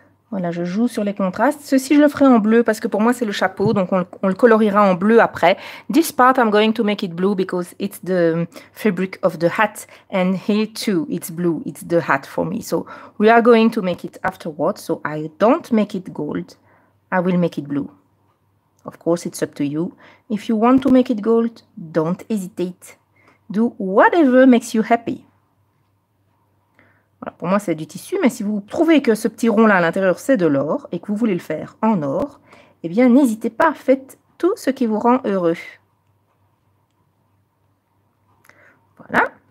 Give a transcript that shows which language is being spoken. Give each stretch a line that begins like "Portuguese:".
French: Voilà, je joue sur les contrastes. Ceci, je le ferai en bleu parce que pour moi, c'est le chapeau. Donc, on le coloriera en bleu après.
English: This part, I'm going to make it blue because it's the fabric of the hat. And here too, it's blue. It's the hat for me. So, we are going to make it afterwards. So, I don't make it gold. I will make it blue. Of course, it's up to you. If you want to make it gold, don't hesitate. Do whatever makes you happy.
French: Voilà, pour moi, c'est du tissu, mais si vous trouvez que ce petit rond-là à l'intérieur, c'est de l'or et que vous voulez le faire en or, eh bien, n'hésitez pas, faites tout ce qui vous rend heureux. Voilà. Voilà.